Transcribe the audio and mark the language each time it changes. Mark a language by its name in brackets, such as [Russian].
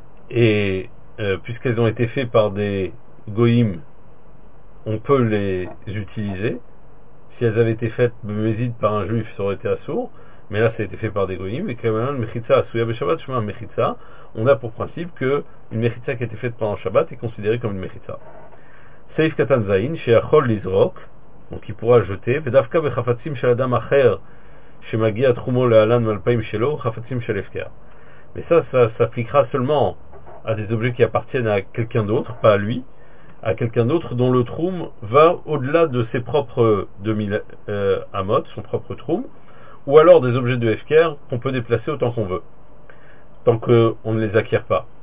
[French] Et puisqu'elles ont été faites par des goyim, on peut les utiliser. Si elles avaient été faites par un juif, ça aurait été assour. Mais là, ça a été fait par des goyim. Et quand même, on a pour principe qu'une méchitza qui a été faite pendant Shabbat est considérée comme une méchitza. [Hebrew] Seif katan zain, shi'achol lizrok, [French] donc il pourra jeter, [Hebrew] ודווקא בחפצים של אדם אחר שמגיע תחומו להלן מלפיים שלו, חפצים של הפקר. [French] Mais ça, ça s'appliquera seulement à des objets qui appartiennent à quelqu'un d'autre, pas à lui, à quelqu'un d'autre dont le troum va au-delà de ses propres 2000 amot, son propre troum, ou alors des objets de Hefker qu'on peut déplacer autant qu'on veut, tant qu'on ne les acquiert pas.